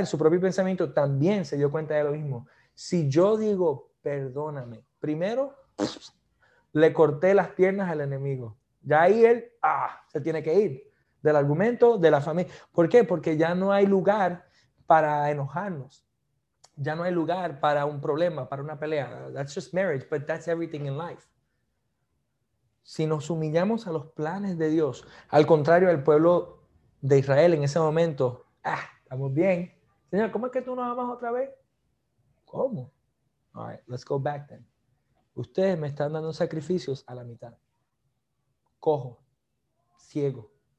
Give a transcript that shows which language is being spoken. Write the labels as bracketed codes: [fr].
[es] En su propio pensamiento también se dio cuenta de lo mismo. Si yo digo perdóname, primero le corté las piernas al enemigo. Ya ahí él se tiene que ir del argumento, de la familia. ¿Por qué? Porque ya no hay lugar para enojarnos. Ya no hay lugar para un problema, para una pelea. [en] That's just marriage, but that's everything in life. [es] Si nos humillamos a los planes de Dios, al contrario del pueblo de Israel en ese momento, estamos bien. Señor, ¿cómo es que tú nos amas otra vez? ¿Cómo? [en] All right, let's go back then. [es] Ustedes me están dando sacrificios a la mitad. Cojo, ciego.